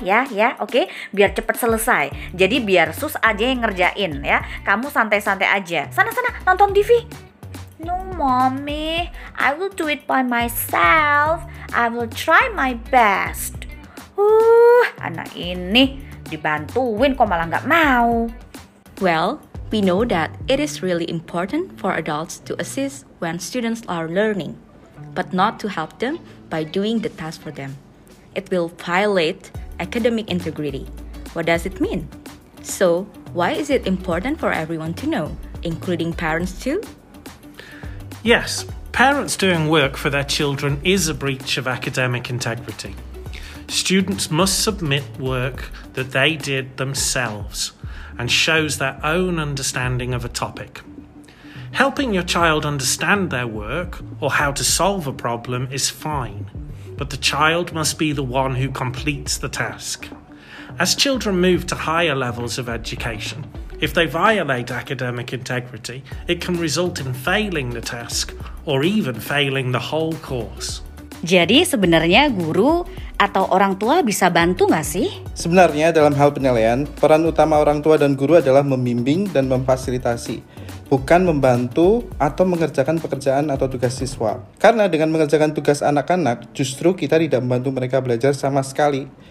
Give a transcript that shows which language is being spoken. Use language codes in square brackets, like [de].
[id] Ya, oke? Biar cepet selesai. Jadi biar Sus aja yang ngerjain ya. Kamu santai-santai aja. Sana, nonton TV. [en] No, Mommy. I will do it by myself. I will try my best. [id] Anak ini dibantuin kok malah gak mau. [en] Well, we know that it is really important for adults to assist when students are learning, but not to help them by doing the task for them. It will violate academic integrity. What does it mean? So, why is it important for everyone to know, including parents too? Yes, parents doing work for their children is a breach of academic integrity. Students must submit work that they did themselves and shows their own understanding of a topic. Helping your child understand their work or how to solve a problem is fine, but the child must be the one who completes the task. As children move to higher levels of education, if they violate academic integrity, it can result in failing the task or even failing the whole course. [id] Jadi sebenarnya guru atau orang tua bisa bantu nggak sih? Sebenarnya dalam hal penilaian, peran utama orang tua dan guru adalah membimbing dan memfasilitasi, bukan membantu atau mengerjakan pekerjaan atau tugas siswa. Karena dengan mengerjakan tugas anak-anak, justru kita tidak membantu mereka belajar sama sekali.